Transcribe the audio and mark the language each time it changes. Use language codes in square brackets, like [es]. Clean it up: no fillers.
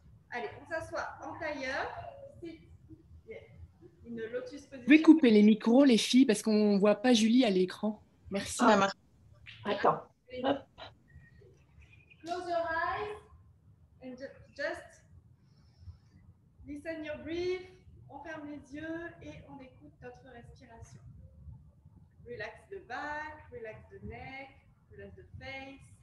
[fr] Allez, on s'assoit en tailleur. Vous pouvez couper les micros, les filles, parce qu'on ne voit pas Julie à l'écran. Merci. Ah, maman. Attends. Hop. [en] Close your eyes and just listen your breath. [fr] On ferme les yeux et on écoute notre respiration. [en] Relax the back, relax the neck, relax the face.